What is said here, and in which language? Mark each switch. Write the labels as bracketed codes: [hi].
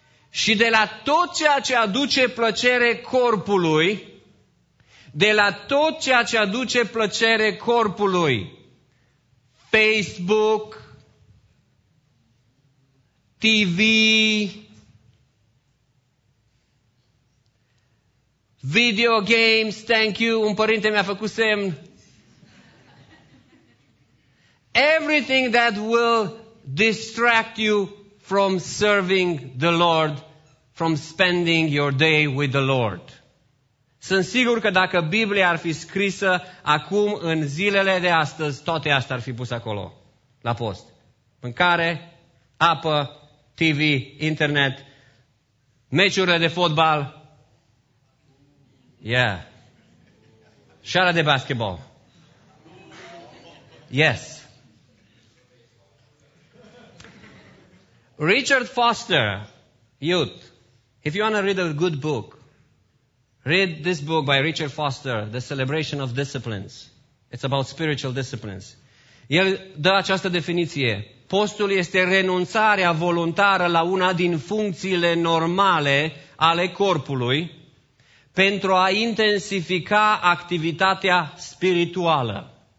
[ro] Și de la tot ceea ce aduce plăcere corpului, de la tot ceea ce aduce plăcere corpului, Facebook, TV, [en] video games, thank you, [ro] un părinte mi-a făcut semn. [en] Everything that will distract you from serving the Lord, from spending your day with the Lord. [ro] Sunt sigur că dacă Biblia ar fi scrisă acum, în zilele de astăzi, toate astea ar fi pus acolo, la post. Mâncare, apă, TV, internet, meciurile de fotbal, yeah, seara de basketball, yes. [en] Richard Foster, youth, if you want to read a good book, read this book by Richard Foster, The Celebration of Disciplines. It's about spiritual disciplines. [ro] El dă această definiție. Postul este renunțarea voluntară la una din funcțiile normale ale corpului pentru a intensifica activitatea spirituală.